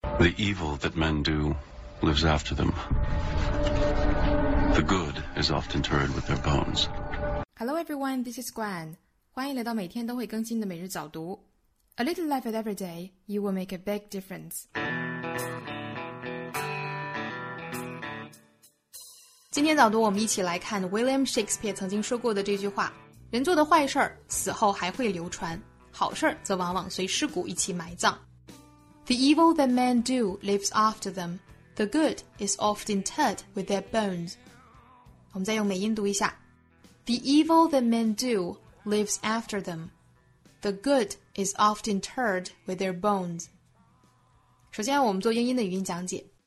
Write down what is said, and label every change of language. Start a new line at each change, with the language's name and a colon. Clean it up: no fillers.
English: The evil that men do lives after them. The good is often interred with their bones. Hello everyone, this is Gwen.
Chinese: 欢迎来到每天都会更新的每日早读。
English: A little life at every day, you will make a big difference.
Chinese: 今天早读我们一起来看 William Shakespeare 曾经说过的这句话。人做的坏事儿死后还会流传，好事儿则往往随尸骨一起埋葬。
English: The evil that men do lives after them. The good is often interred with their bones.
Chinese: 我们再用美音读一下。
English: The evil that men do lives after them. The good is often interred with their bones.
Chinese: 首先我们做英音的语音讲解。